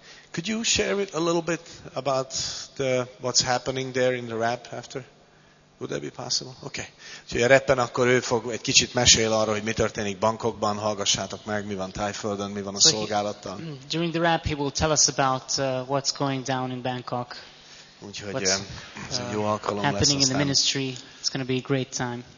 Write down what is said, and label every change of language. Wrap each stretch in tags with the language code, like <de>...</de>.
<en>Could you share it a little bit about what's happening there in the rap after? Would that be possible? Okay.</en> <hu>Úgyhogy a rappen akkor ő fog egy kicsit mesél arról, hogy mi történik Bangkokban. Hallgassátok meg, mi van Thaiföldön, mi van a szolgálattal.</hu> <en>During the rap, he will tell us about what's going down in Bangkok.</en> <hu>Úgyhogy jó alkalom lesz.</hu> <en>Happening in the ministry, it's going to be a great time.</en>